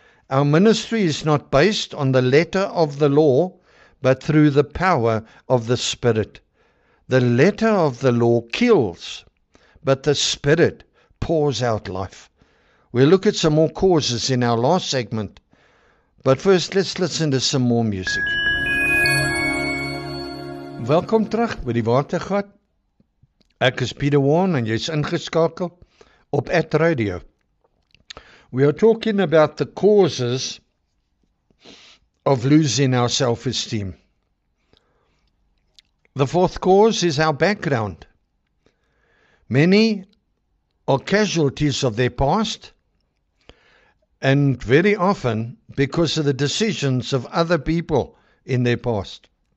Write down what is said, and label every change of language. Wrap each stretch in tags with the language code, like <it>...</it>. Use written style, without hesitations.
<en>Our ministry is not based on the letter of the law, but through the power of the Spirit. The letter of the law kills, but the Spirit pours out life. We'll look at some more causes in our last segment, but first let's listen to some more music.</en> <af>Welkom terug by die Watergat. Ek is Peter Warne en jy is ingeskakel op At Radio.</af> <en>We are talking about the causes of losing our self-esteem. The fourth cause is our background. Many are casualties of their past, and very often because of the decisions of other people in their past.</en>